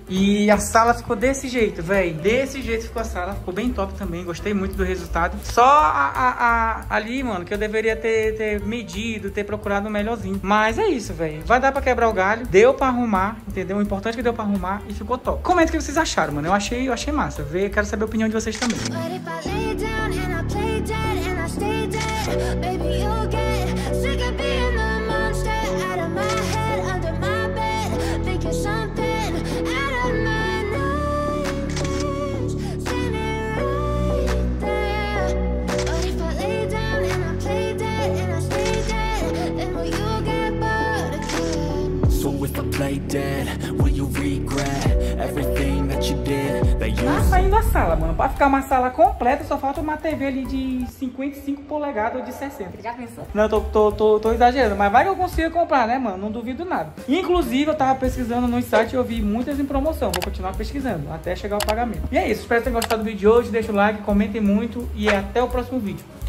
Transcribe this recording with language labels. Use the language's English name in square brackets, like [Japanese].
[Portuguese] E a sala ficou desse jeito, velho. Desse jeito ficou a sala. Ficou bem top também. Gostei muito do resultado. Só a ali, mano, que eu deveria ter medido, ter procurado um melhorzinho. Mas é isso, velho. Vai dar pra quebrar o galho. Deu pra arrumar, entendeu? O importante é que deu pra arrumar e ficou top. Comenta o que vocês acharam, mano. Eu achei massa. Eu quero saber a opinião de vocês também. [English] Lay down and I play dead and I stay dead. Baby, you'll get sick of being the monster. Out of my head, under my bed, thinking something out of my nightmares. Standing right there. But if I lay down and I play dead and I stay dead, then will you get bored again? So if I play dead, will you regret everything that you did? [Portuguese] Tá saindo a sala, mano. Pra ficar uma sala completa, só falta uma TV ali de 55 polegadas ou de 60. Já pensou? Não, tô exagerando. Mas vai que eu consiga comprar, né, mano? Não duvido nada. Inclusive, eu tava pesquisando no site e eu vi muitas em promoção. Vou continuar pesquisando até chegar o pagamento. E é isso. Espero que tenham gostado do vídeo de hoje. Deixa o like, comentem muito. E até o próximo vídeo.